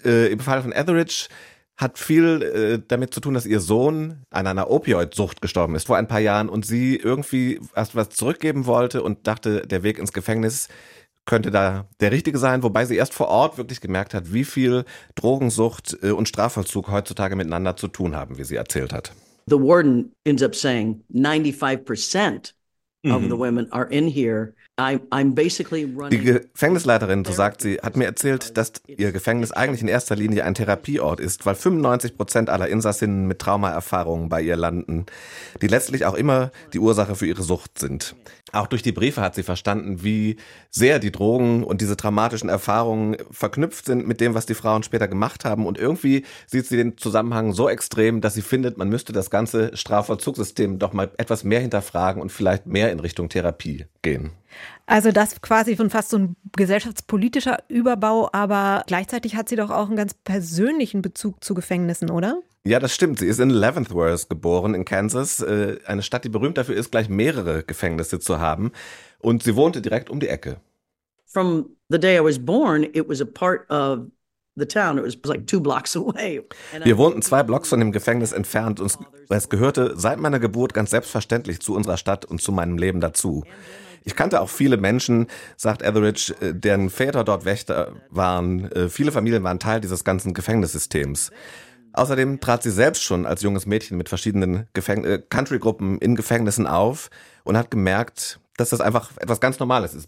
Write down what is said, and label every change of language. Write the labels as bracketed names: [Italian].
[German] Im Fall von Etheridge hat viel damit zu tun, dass ihr Sohn an einer Opioidsucht gestorben ist vor ein paar Jahren und sie irgendwie erst was zurückgeben wollte und dachte, der Weg ins Gefängnis könnte da der richtige sein, wobei sie erst vor Ort wirklich gemerkt hat, wie viel Drogensucht und Strafvollzug heutzutage miteinander zu tun haben, wie sie erzählt hat. [English] The warden ends up saying 95% of the women are in here. [German] Die Gefängnisleiterin, so sagt sie, hat mir erzählt, dass ihr Gefängnis eigentlich in erster Linie ein Therapieort ist, weil 95% aller Insassinnen mit Traumaerfahrungen bei ihr landen, die letztlich auch immer die Ursache für ihre Sucht sind. Auch durch die Briefe hat sie verstanden, wie sehr die Drogen und diese traumatischen Erfahrungen verknüpft sind mit dem, was die Frauen später gemacht haben. Und irgendwie sieht sie den Zusammenhang so extrem, dass sie findet, man müsste das ganze Strafvollzugssystem doch mal etwas mehr hinterfragen und vielleicht mehr in Richtung Therapie gehen. Also das quasi von fast so ein gesellschaftspolitischer Überbau, aber gleichzeitig hat sie doch auch einen ganz persönlichen Bezug zu Gefängnissen, oder? Ja, das stimmt. Sie ist in Leavenworth geboren in Kansas, eine Stadt, die berühmt dafür ist, gleich mehrere Gefängnisse zu haben. Und sie wohnte direkt um die Ecke. [English] From the day I was born, it was a part of the town. It was like two blocks away. [German] Wir wohnten zwei Blocks von dem Gefängnis entfernt und es gehörte seit meiner Geburt ganz selbstverständlich zu unserer Stadt und zu meinem Leben dazu. Ich kannte auch viele Menschen, sagt Etheridge, deren Väter dort Wächter waren. Viele Familien waren Teil dieses ganzen Gefängnissystems. Außerdem trat sie selbst schon als junges Mädchen mit verschiedenen Country-Gruppen in Gefängnissen auf und hat gemerkt, dass das einfach etwas ganz Normales ist.